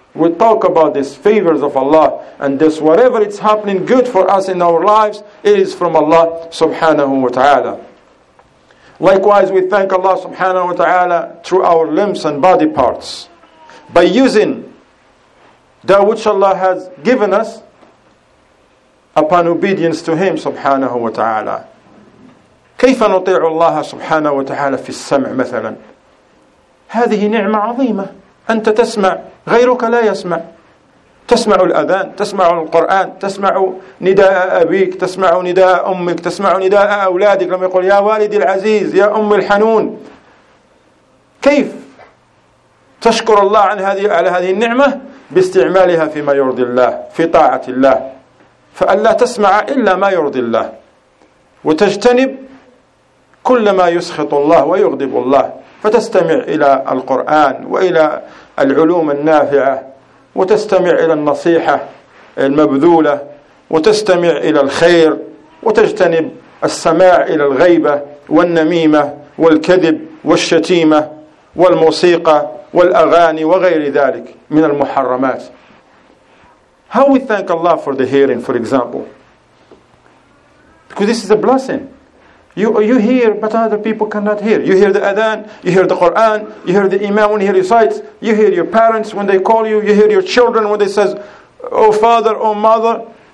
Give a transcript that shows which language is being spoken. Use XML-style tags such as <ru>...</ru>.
<en>We talk about these favors of Allah. And this, whatever it's happening good for us in our lives, it is from Allah subhanahu wa ta'ala. Likewise, we thank Allah subhanahu wa ta'ala through our limbs and body parts. By using that which Allah has given us upon obedience to Him subhanahu wa ta'ala.</en> <ar>كيف نطيع الله سبحانه وتعالى في السمع مثلا؟ هذه نعمة عظيمة. أنت تسمع، غيرك لا يسمع. تسمع الأذان، تسمع القرآن، تسمع نداء أبيك، تسمع نداء أمك، تسمع نداء أولادك لما يقول يا والدي العزيز، يا أم الحنون. كيف تشكر الله عن هذه على هذه النعمة؟ باستعمالها فيما يرضي الله، في طاعة الله. فألا تسمع إلا ما يرضي الله، وتجتنب كل ما يسخط الله ويغضب الله، فتستمع إلى القرآن وإلى العلوم النافعة، وتستمع إلى النصيحة المبذولة، وتستمع إلى الخير، وتجتنب السماع إلى الغيبة والنميمة والكذب والشتيمة والموسيقى والأغاني وغير ذلك من المحرمات.</ar> <en>How we thank Allah for the hearing, for example. Because this is a blessing. You hear, but other people cannot hear. You hear the Adhan, you hear the Quran, you hear the Imam when he recites, you hear your parents when they call you, you hear your children when they say, oh father, oh mother.</en>